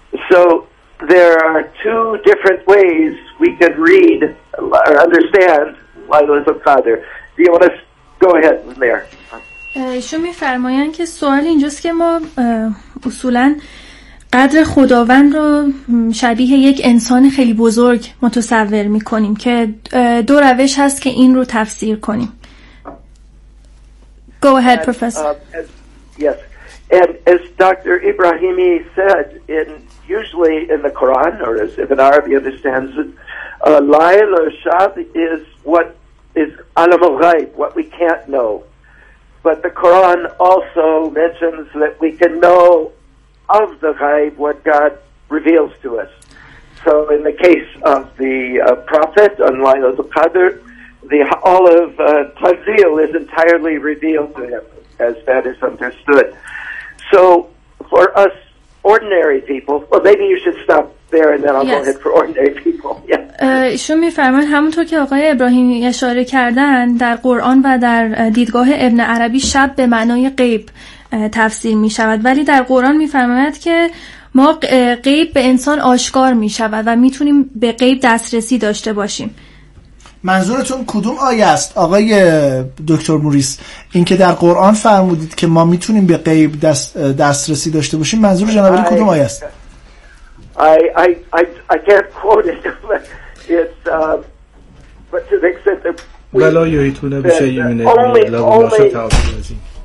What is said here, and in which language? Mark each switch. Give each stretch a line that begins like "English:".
English: So there are two different ways we can read or understand Lila's father. Do you want to go ahead from there?
Persian: ایشون میفرمایند که سوال اینجاست که ما اصولاً قدر خداوند رو شبیه یک انسان خیلی بزرگ متصور می‌کنیم، که دو روش هست که این رو تفسیر کنیم.
English: Go ahead, professor. Yes. And as Dr. Ibrahimi said, usually in the Quran, or as Ibn Arabi understands it, Layl al-Shab is what is alam al-ghayb, what we can't know. But the Quran also mentions that we can know of the ghaib, what God reveals to us. So in the case of the prophet on Laylat al-Qadr, all of Tanzil is entirely revealed to him, as that is understood. So for us ordinary people, well, maybe you should stop there and then I'll go ahead for ordinary people.
Persian: ایشون میفرمان همونطور که آقای ابراهیمی اشاره کردن، در قرآن و در دیدگاه ابن عربی شب به معنای غیب تفسیر می شود، ولی در قرآن می فرماید که ما غیب به انسان آشکار می شود و می تونیم به غیب دسترسی داشته باشیم. منظورتون کدوم آیه است آقای دکتر موریس؟ این که در قرآن فرمودید که ما می تونیم به غیب دسترسی داشته باشیم، منظور جناب علی کدوم آیه است؟
English: I can't quote it. It's but to the extent that ولا یهیتونه بشه یمینه لبون باشه تعالی بازیم.